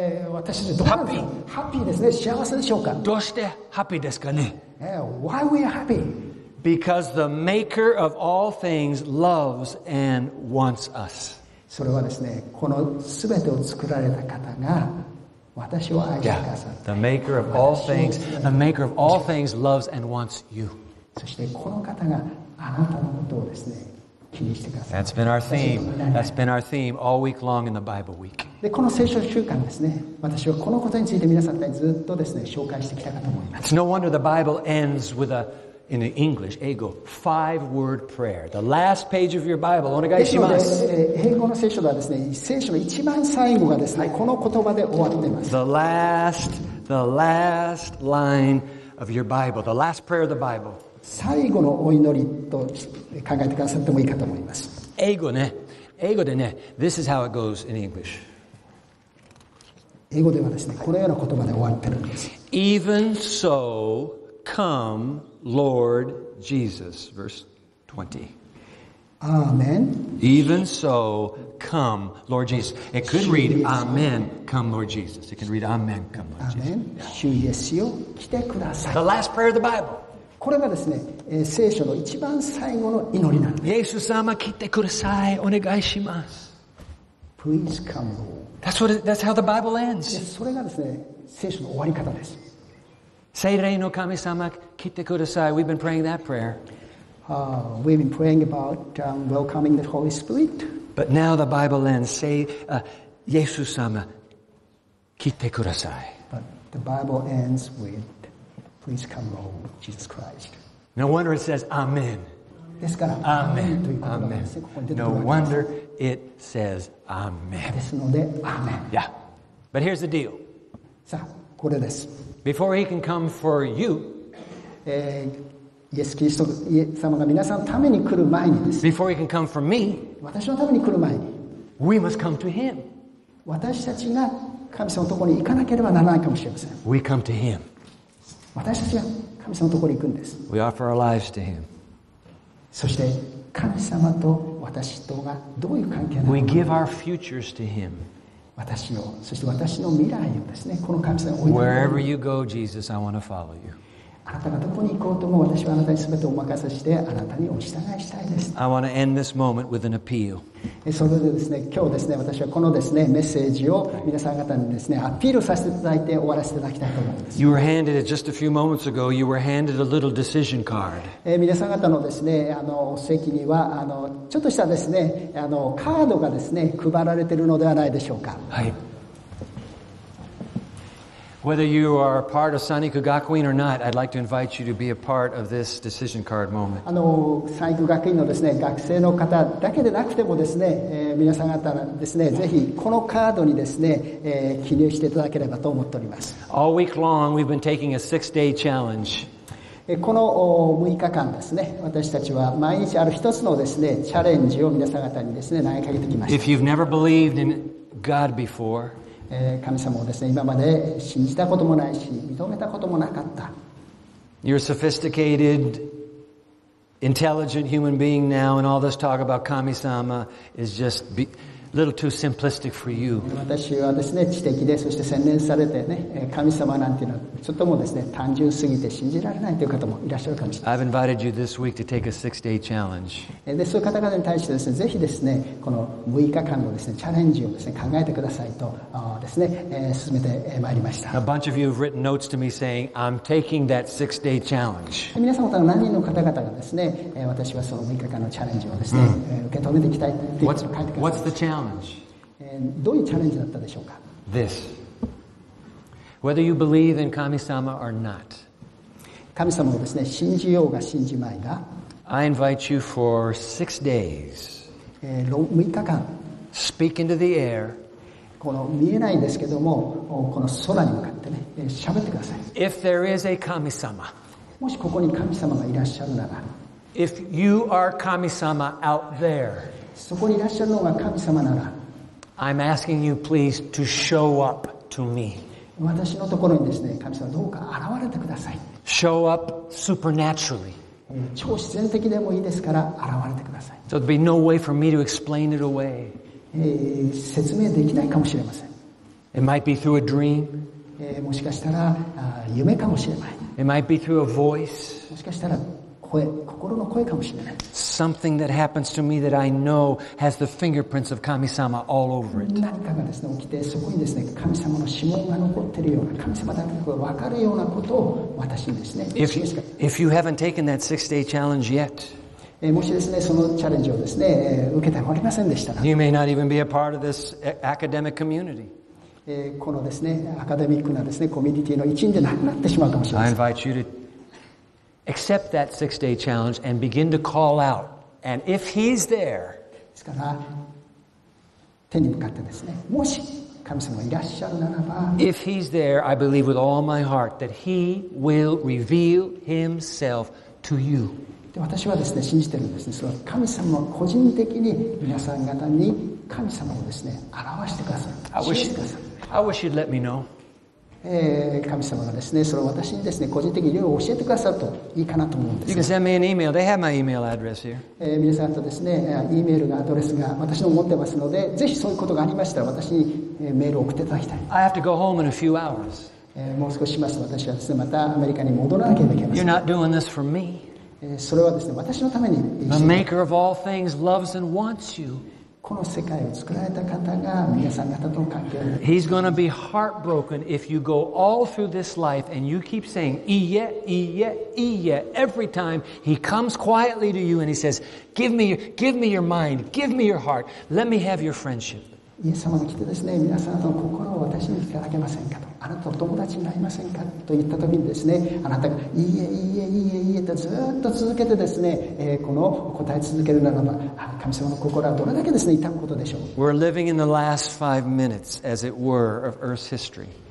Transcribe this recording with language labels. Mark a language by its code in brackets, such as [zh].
[ja] 私でどうなんですか、ハッピーですね、幸せでしょうか。どうしてハッピーですかね。 [en] Why we are happy? Because the maker of all things loves and wants us. [ja] それはですね、このすべてを作られた方が私を愛してくださって、yeah. [en] The maker of all things loves and wants you. [ja] そしてこの方があなたのことをですね、気にしてください。 [en] That's been our theme all week long in the Bible week. [ja] でこの聖書週間ですね、私はこのことについて皆さんにずっとですね、紹介してきたかと思います。 [en] It's no wonder the Bible ends with a, in the English, 英語、5-word prayer. The last page of your Bible, [ja] お願いします。英語の聖書ではですね、聖書の一番最後がですね、この言葉で終わっています。 [en] The last line of your Bible, the last prayer of the Bible. [ja] 最後のお祈りと考えてくださってもいいかと思います。英語でね、 [en] this is how it goes in English. [ja] 英語ではですね、このような言葉で終わってるんです。 [en] Even so, come, Lord Jesus, verse 20. Amen. Even so, come, Lord Jesus. It could read, Amen, come, Lord Jesus. It can read, Amen, come, Lord Jesus. Amen. [ja] 主イエスよ、来てください。 [en] The last prayer of the Bible. [ja] これがですね、聖書の一番最後の祈りなんです。イエス様、来てください。お願いします。 [en] Please come, Lord. That's how the Bible ends. [ja] それがですね、聖書の終わり方です。聖霊の神様、来てください。 [en] We've been praying that prayer. We've been praying about welcoming the Holy Spirit. But now the Bible ends. [ja] イエス様、来てください。 [en] But the Bible ends with, please come home, Jesus Christ. No wonder it says, Amen. [ja] ですから、Amen. Amen. [en] No wonder it says, Amen. [ja] ですので、Amen. [en] Yeah. But here's the deal. [ja] さあ、これです。 [en] Before he can come for you, [ja] イエス・キリスト様が皆さんのために来る前にですね。 [en] Before he can come for me, [ja] 私のために来る前に。 [en] We must come to him. [ja] 私たちが神様のところに行かなければならないかもしれません。 [en] We come to him. [ja] 私たちが神様のところに行くんです。 [en] We offer our lives to him. [ja] そして神様と私とがどういう関係なのか。 [en] We give our futures to him. [ja] 私の、そして私の未来をですね、この神様に置いて。 [en] Wherever you go, Jesus, I want to follow you. [ja] あなたがどこに行こうとも私はあなたに全てお任せしてあなたにお従いしたいです。 [en] I want to end this moment with an appeal. [ja] それでですね、今日ですね、私はこのですね、メッセージを皆さん方にですね、アピールさせていただいて終わらせていただきたいと思います。 [en] You were handed it just a few moments ago. You were handed a little decision card. [ja] 皆さん方のですね、席には、ちょっとしたですね、カードがですね、配られているのではないでしょうか。はい。 [en] Whether you are a part of Saiku Gakuin or not, I'd like to invite you to be a part of this decision card moment. [ja] Saiku Gakuin のですね、学生の方だけでなくてもですね、皆さん方ですね、ぜひこのカードにですね、記入していただければと思っております。 [en] All week long, we've been taking a six-day challenge. [ja] この6日間ですね、私たちは毎日ある一つのですね、チャレンジを皆さん方にですね、投げかけてきました。 [en] If you've never believed in God before, [ja] 神様をですね、今まで信じたこともないし、認めたこともなかった。 [en] You're a sophisticated, intelligent human being now, and all this talk about Kami-sama is just a little too simplistic for you. [ja] 私はですね、知的で、そして洗練されてね、神様なんていうのは、ちょっともですね、単純すぎて信じられないという方もいらっしゃるかもしれません。 [en] I've invited you this week to take a six-day challenge. [ja] で、そういう方々に対してですね、ぜひですね、この6日間のですね、チャレンジをですね、考えてくださいと。ですね、進めてまいりました。 [en] A bunch of you have written notes to me saying, I'm taking that six-day challenge. [ja] 皆さん方何人の方々がですね、私はその6日間のチャレンジをですね、受け止めていきたいって書いてくださいました。 [en] What's the challenge? [ja] どういうチャレンジだったでしょうか? [en] This. Whether you believe in Kami-sama or not. [ja] 神様をですね、信じようが信じまいが。 [en] I invite you for 6 days. [ja] 6日間。 [en] Speak into the air. [ja] この見えないんですけどもこの空に向かってね喋ってください。 [en] If there is a 神様、 [ja] もしここに神様がいらっしゃるなら、 [en] If you are 神様 out there、 [ja] そこにいらっしゃるのが神様なら、 [en] I'm asking you please to show up to me。 [ja] 私のところにですね神様どうか現れてください。 [en] Show up supernaturally。 [ja] 超自然的でもいいですから現れてください。 [en] So there'd be no way for me to explain it away. [ja] 説明できないかもしれません。 [en] It might be through a dream. [ja] もしかしたら夢かもしれない。 [en] It might be through a voice. [ja] もしかしたら声、心の声かもしれない。 [en] Something that happens to me that I know has the fingerprints of Kami-sama all over it. [ja] 何かがですね、起きてそこにですね、神様の指紋が残ってるような、神様だけが分かるようなことを私にですね、 [en] If you haven't taken that six-day challenge yet. [ja] もしですね、そのチャレンジをですね、受けてもらえませんでしたら、 [en] You may not even be a part of this academic community. [ja] このですね、アカデミックなですね、コミュニティの一員でなくなってしまうかもしれません。 [en] I invite you to accept that six-day challenge and begin to call out. And if he's there, [ja] ですから、手に向かってですね、もし神様がいらっしゃるならば、 [en] If he's there, I believe with all my heart that he will reveal himself to you. [ja] で私はですね信じてるんですね。それは神様は個人的に皆さん方に神様をですね表してください。教えてください。 [en] I wish you'd let me know. [ja] 神様がですねそれを私にですね個人的にいろいろ教えてくださるといいかなと思うんです。 [en] You can send me an email. They have my email address here. [ja] 皆さんとですね、E メールがアドレスが私の持ってますので、ぜひそういうことがありましたら私にメールを送っていただきたい。 [en] I have to go home in a few hours. [ja] もう少ししますと私はですねまたアメリカに戻らなければいけません。 [en] You're not doing this for me. [ja] それはですね、私のために。 [en] The maker of all things loves and wants you. [ja] この世界を作られた方が皆さん方との関係を。 [en] He's going to be heartbroken if you go all through this life and you keep saying, Iye, Iye, Iye, every time he comes quietly to you and he says, give me your mind, give me your heart, let me have your friendship. [ja] イエス様が来てですね、皆さんの心を私にいただけませんかと、あなたと友達になりませんかと言った時にですね、あなたがいいえいいえいいえいいえとずっと続けてですね、この答え続けるならば、神様の心はどれだけですね痛むことでしょう。 [en] We're living in the last five minutes, as it were, of Earth's history.